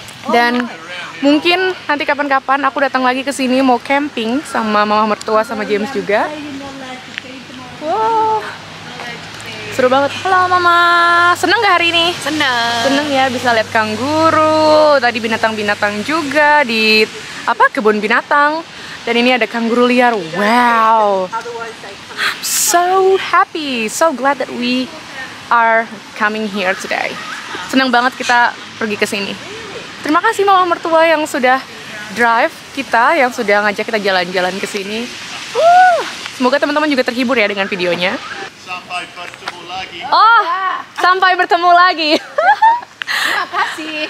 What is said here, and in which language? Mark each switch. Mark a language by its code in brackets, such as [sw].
[id] Dan mungkin nanti kapan-kapan aku datang lagi ke sini mau camping sama mama mertua sama James juga. Wow, seru banget. Halo mama, seneng gak hari ini? Seneng ya, bisa lihat kanguru. Tadi binatang-binatang juga di apa kebun binatang. Dan ini ada kanguru liar. [en] Wow, I'm so happy, so glad that we are coming here today. [id] Seneng banget kita pergi ke sini. Terima kasih mama mertua yang sudah drive kita, yang sudah ngajak kita jalan-jalan ke sini. Semoga teman-teman juga terhibur ya dengan videonya. Sampai bertemu lagi. Oh, ya. Sampai bertemu lagi. Terima kasih.